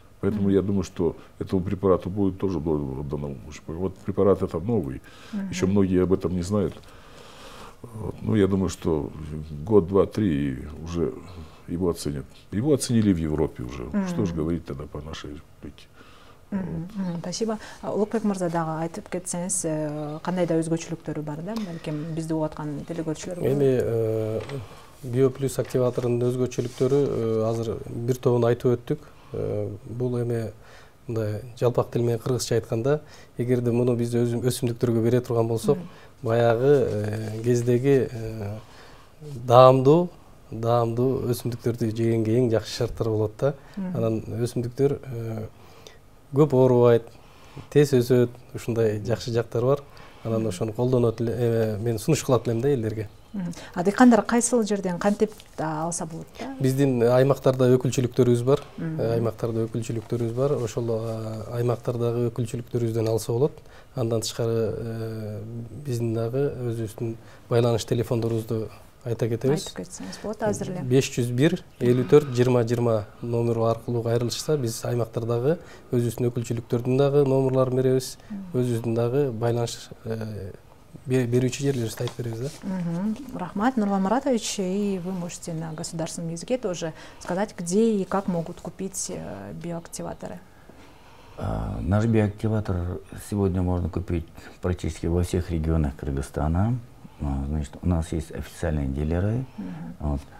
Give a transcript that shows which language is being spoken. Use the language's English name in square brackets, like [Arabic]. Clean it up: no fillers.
[Russian] Поэтому я думаю, что этому препарату будет тоже дано. Вот препарат этот новый, еще многие об этом не знают. Вот, ну, я думаю, что год, два, три и уже... Его оценят. Его оценили в Европе уже. Что же говорить тогда по нашей республике? Спасибо. [Kyrgyz] Улукбек Мырза, дагы айтып кетсеңиз, кандай да өзгөчөлүктөрү бар, да? Балким бизди угуп аткан телекөрүүчүлөр. Эми BioPlus активаторунун өзгөчөлүктөрү азыр бир тобун айтып өттүк. Бул эми мындай жалпак тил менен кыргызча айтканда, эгерде муну биз өсүмдүктөргө бере турган болсок, баягы кездеги даамдуу өсүмдүктөрдү жегенге эң жакшы шарттар болот да. Анан өсүмдүктөр көп оорубайт, тез өсөт, ушундай жакшы жактары бар. Анан ошону колдонот мен сунуш кылат элем да элдерге. А дыйкандар кайсыл жерден кантип алса болот да? Биздин аймактарда өкүлчүлүктөрүбүз бар. Аймактарда өкүлчүлүктөрүбүз бар. Ошол аймактардагы өкүлчүлүктөрүбүздөн алса болот. Андан тышкары биздин дагы өзүбүздүн байланыш телефондорубузду айта кетебиз. Айтып кетсеңиз болот, азырле. 501-54-20-20 номеру аркылуу кайрылышса, биз аймактардагы өзүбүздүн өкүлчүлүктөрдүн дагы номерлерин беребиз. Өзүбүздүн дагы байланыш берүүчү жерлерибизди айтып беребиз да. [Russian] Рахмат, Нурлан Маратович, и вы можете на государственном языке тоже сказать, где и как могут купить биоактиваторы. Наш биоактиватор сегодня можно купить практически во всех регионах Кыргызстана. Значит, у нас есть официальные дилеры, вот.